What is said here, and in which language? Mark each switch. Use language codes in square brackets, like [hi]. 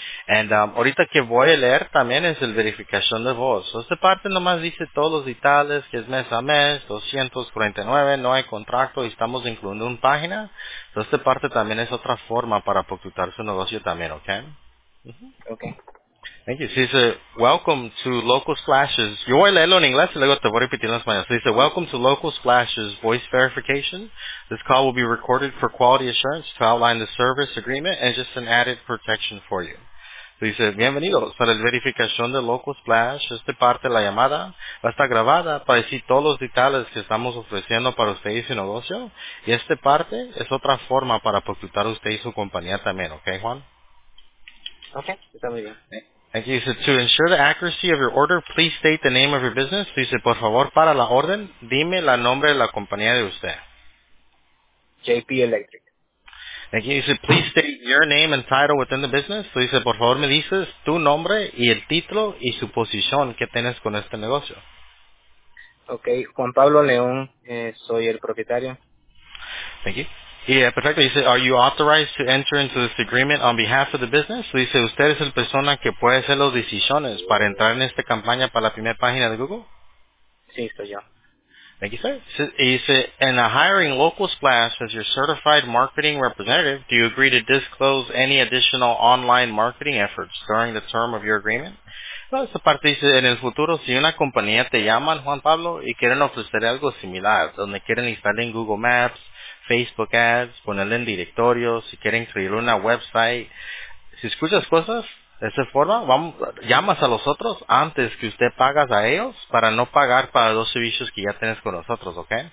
[es] And ahorita que voy a leer también es el verificación de voz. Esta parte nomás dice todos los detalles, que es mes a mes, 249, no hay contrato y estamos incluyendo una página. Entonces esta parte también es otra forma para apuntar su negocio también, ¿ok? Ok. [en] Thank you. [es] Se dice, [en] welcome to Local Splashes. [es] Yo voy a leerlo en inglés y luego te voy a repetir en español. Se dice, [en] welcome to Local Splashes Voice Verification. This call will be recorded for quality assurance to outline the service agreement and just an added protection for you. [es] Se dice, bienvenidos para la verificación de Local Splash. Esta parte de la llamada va a estar grabada para decir todos los detalles que estamos ofreciendo para usted y su negocio. Y esta parte es otra forma para postular a usted y su compañía también. ¿Ok, Juan? Ok, está muy bien. [en] Thank you. So to ensure the accuracy of your order, please state the name of your business. [es] Dice, por favor, para la orden, dime el nombre de la compañía de usted. [en] JP Electric. Thank you. Dice, please state your name and title within the business. [es] Dice, por favor, me dices tu nombre y el título y su posición que tienes con este negocio. Okay, Juan Pablo León, soy el propietario. [en] Thank you. Yeah, perfecto. Dice, are you authorized to enter into this agreement on behalf of the business? [es] Dice, ¿usted es la persona que puede hacer las decisiones para entrar en esta campaña para la primera página de Google? Sí, estoy yo. [en] Thank you, sir. Dice, in a hiring Local Splash as your certified marketing representative, do you agree to disclose any additional online marketing efforts during the term of your agreement? [es] No, esta parte dice, en el futuro, si una compañía te llama, Juan Pablo, y quieren ofrecer algo similar, donde quieren instalar en Google Maps, Facebook Ads, ponerle en directorio, si quieren crear una website. Si escuchas cosas de esa forma, llamas a los otros antes que usted pagas a ellos para no pagar para los servicios que ya tienes con nosotros, ¿ok?